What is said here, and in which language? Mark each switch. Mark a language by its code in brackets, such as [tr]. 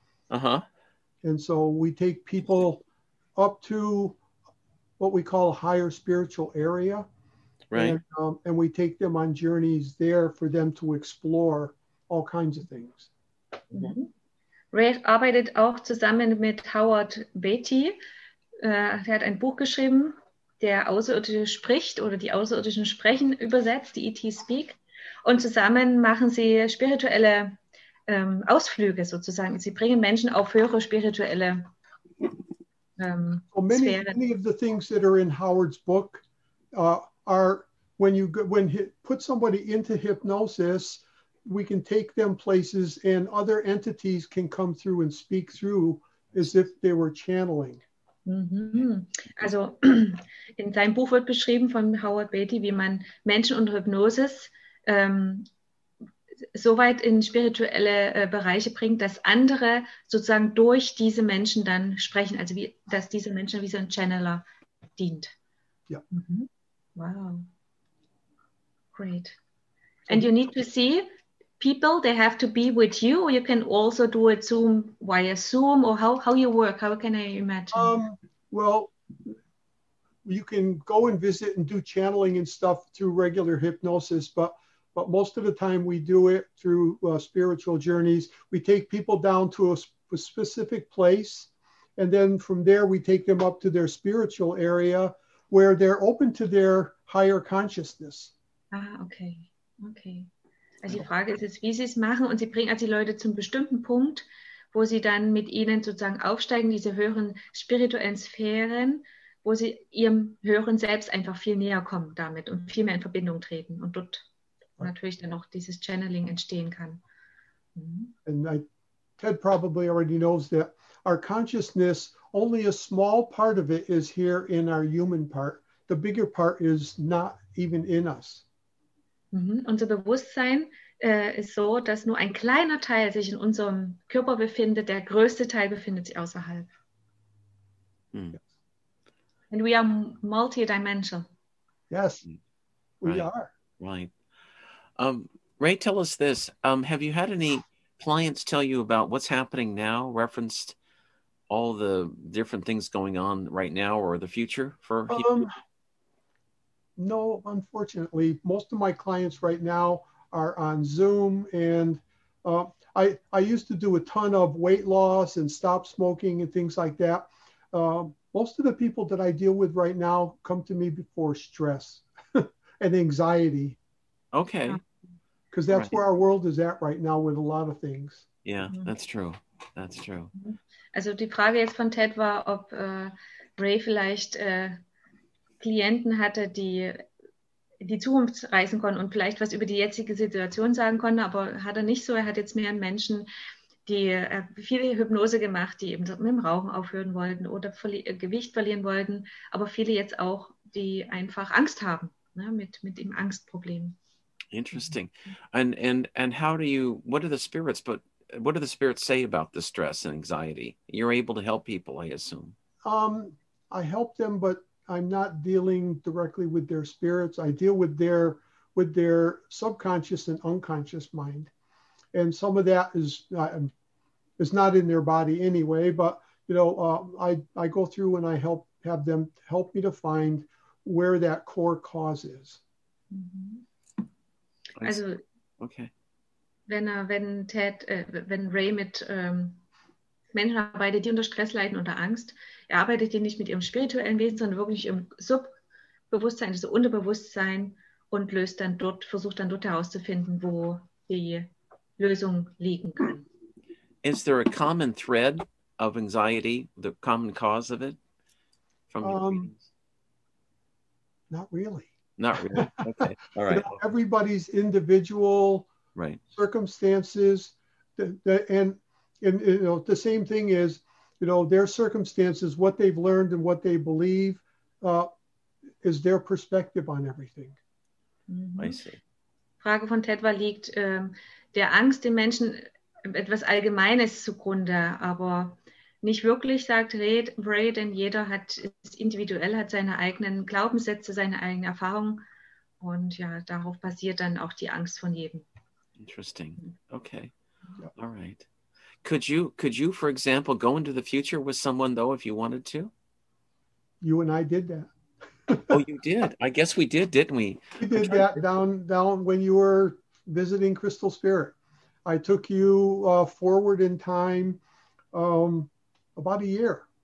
[en] Uh-huh. And so we take people up to what we call a higher spiritual area. Right. And we take them on journeys there for them to explore all kinds of things. [de] Mm-hmm. Ray arbeitet auch zusammen mit Howard Beatty. Er hat ein Buch geschrieben, der Außerirdische spricht oder die Außerirdischen sprechen übersetzt, die ET Speak. Und zusammen machen sie spirituelle Ausflüge sozusagen. Sie bringen Menschen auf höhere spirituelle [en] Well, many of the things that are in Howard's book are when you put somebody into hypnosis, we can take them places and other entities can come through and speak through as if they were channeling. Mm-hmm. [de] Also in seinem Buch wird beschrieben von Howard Beatty, wie man Menschen unter Hypnosis so weit in spirituelle Bereiche bringt, dass andere sozusagen durch diese Menschen dann sprechen, also wie, dass diese Menschen wie so ein Channeler dient. Ja. [en] Mm-hmm. Wow. Great. And you need to see people, they have to be with you, or you can also do it Zoom, via Zoom, or how you work, how can I imagine? Well, you can go and visit and do channeling and stuff through regular hypnosis, but most of the time we do it through spiritual journeys. We take people down to a specific place, and then from there we take them up to their spiritual area where they're open to their higher consciousness. Ah, okay. [de] Also die Frage ist jetzt, wie sie es machen, und sie bringen also die Leute zum bestimmten Punkt, wo sie dann mit ihnen sozusagen aufsteigen, diese höheren spirituellen Sphären, wo sie ihrem höheren Selbst einfach viel näher kommen damit und viel mehr in Verbindung treten und dort natürlich dann auch dieses Channeling entstehen kann. Mm-hmm. [en] And Ted probably already knows that our consciousness, only a small part of it is here in our human part. The bigger part is not even in us. Mm-hmm. [de] Unser Bewusstsein ist so, dass nur ein kleiner Teil sich in unserem Körper befindet, der größte Teil befindet sich außerhalb. Mm. [en] And we are multidimensional. Yes, we are. Right. Ray, tell us this. Have you had any clients tell you about what's happening now, referenced all the different things going on right now or the future for you? No, unfortunately, most of my clients right now are on Zoom, and I used to do a ton of weight loss and stop smoking and things like that. Most of the people that I deal with right now come to me before stress and anxiety. Okay. Because that's right. Where our world is at right now with a lot of things. Yeah, that's true. That's true. [de] Also die Frage jetzt von Ted war, ob Ray vielleicht Klienten hatte, die in die Zukunft reisen konnten und vielleicht was über die jetzige Situation sagen konnten, aber hat er nicht so. Er hat jetzt mehr Menschen, die viele Hypnose gemacht, die eben mit dem Rauchen aufhören wollten oder Gewicht verlieren wollten, aber viele jetzt auch, die einfach Angst haben, ne, mit dem Angstproblem. [en] Interesting. And how do you, what do the spirits say about the stress and anxiety? You're able to help people, I assume. I help them, but I'm not dealing directly with their spirits. I deal with their subconscious and unconscious mind. And some of that is not in their body anyway, but, you know, I go through and I help have them help me to find where that core cause is. Mm-hmm. Also, okay. [de] Wenn Ray mit Menschen arbeitet, die unter Stress leiden, unter Angst, er arbeitet die nicht mit ihrem spirituellen Wesen, sondern wirklich im Subbewusstsein, also Unterbewusstsein, und löst dann dort, versucht dann dort herauszufinden, wo die Lösung liegen kann. [en] Is there a common thread of anxiety, the common cause of it? From not really. Not really. Okay. All right. Everybody's individual, right, circumstances. And you know, the same thing is, you know, their circumstances, what they've learned and what they believe, is their perspective on everything. Mm-hmm. I see. [de] Frage von Ted war, liegt der Angst den Menschen etwas Allgemeines zugrunde, aber nicht wirklich, sagt Ray, denn jeder hat es individuell, hat seine eigenen Glaubenssätze, seine eigenen Erfahrungen, und ja, darauf basiert dann auch die Angst von jedem. [en] Interesting. Okay. All right. Could you, for example, go into the future with someone, though, if you wanted to? You and I did that. Oh, you did. I guess we did, didn't we? We did that down when you were visiting Crystal Spirit. I took you forward in time about a year.